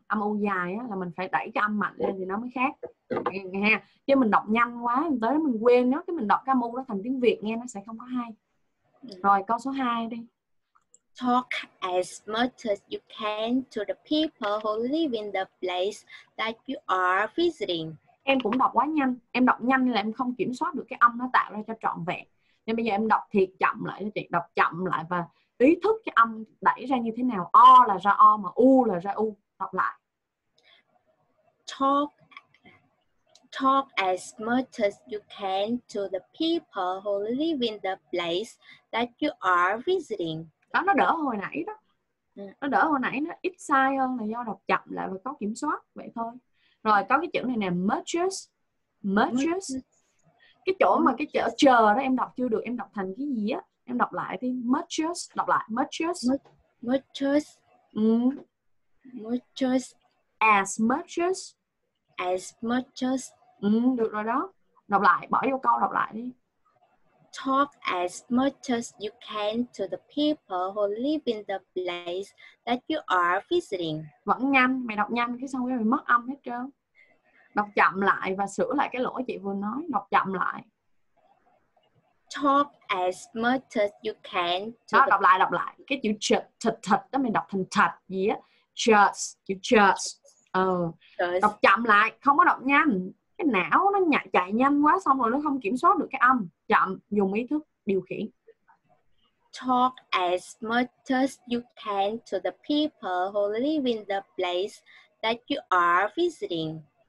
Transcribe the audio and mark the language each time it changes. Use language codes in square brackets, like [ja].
[vi] Âm U dài á, là mình phải đẩy cái âm mạnh lên thì nó mới khác. Nghe. Chứ mình đọc nhanh quá, tới đó mình quên nó, cái mình đọc cái âm U đó thành tiếng Việt nghe nó sẽ không có hay. Rồi, câu số 2 đi. [en] Talk as much as you can to the people who live in the place that you are visiting. [vi] Em cũng đọc quá nhanh. Em đọc nhanh là em không kiểm soát được cái âm nó tạo ra cho trọn vẹn. Nên bây giờ em đọc thiệt chậm lại cho chị. Đọc chậm lại và ý thức cái âm đẩy ra như thế nào. O là ra O mà U là ra U. Đọc lại. [en] Talk as much as you can to the people who live in the place that you are visiting. [vi] Đó, nó đỡ hồi nãy đó. Nó đỡ hồi nãy, nó ít sai hơn là do đọc chậm lại và có kiểm soát. Vậy thôi. Rồi, có cái chữ này nè, much as. Cái chỗ mà cái chữ chờ đó em đọc chưa được, em đọc thành cái gì á? Em đọc lại đi, much as, đọc lại, much as. [en] Much as. Much as. As much as. As much as. [vi] Ừ, được rồi đó. Đọc lại, bỏ vô câu đọc lại đi. [en] Talk as much as you can to the people who live in the place that you are visiting. [vi] Vẫn nhanh, mày đọc nhanh cái xong rồi mày mất âm hết trơn. Đọc chậm lại và sửa lại cái lỗi chị vừa nói, đọc chậm lại. [en] Talk as much as you can [vi] to. Đó, đọc lại. Cái chữ thật đó mày đọc thành thật gì á? Just, chữ just. Đọc chậm lại, không có đọc nhanh. Cái não nó chạy nhanh quá xong rồi nó không kiểm soát được cái âm. Chậm, dùng ý thức điều khiển. [en] Talk as much as you can to the people who live in the place that you are visiting.